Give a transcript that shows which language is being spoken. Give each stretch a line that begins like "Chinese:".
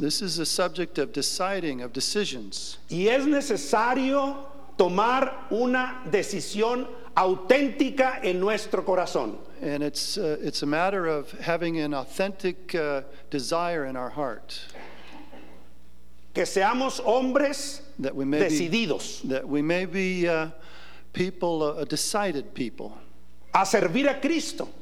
English: This is a subject of deciding, of decisions.
Spanish: Y es necesario tomar una decisión auténtica en nuestro corazón.
English: And it's a matter of having an authentic desire in our heart.
Spanish: Que seamos hombres decididos.
English: That we may be people, a decided people.
Spanish: A servir a Cristo.